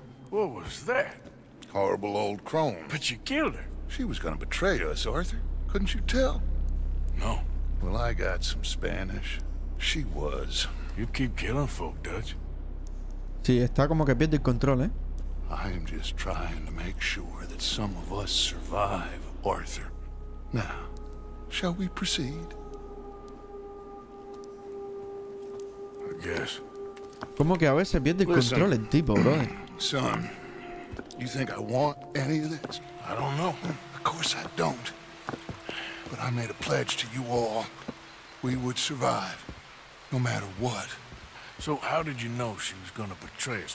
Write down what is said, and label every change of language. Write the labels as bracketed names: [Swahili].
[English] What was that? Horrible old crone. But you killed her. She was gonna betray us, Arthur. Couldn't you tell? No. Well, I got some Spanish. She was. You keep killing folk, Dutch. [Spanish] Sí, está como que pierde el control, ¿eh? [English] I'm just trying to make sure that some of us survive, Arthur. Now, shall we proceed? I guess. [Spanish] ¿Cómo que a veces pierde control el tipo, bro? [English] Son, you think I want any of this? I don't know. Of course I don't. But I made a pledge to you all. we would survive, no matter what. So how did you know she was gonna betray us?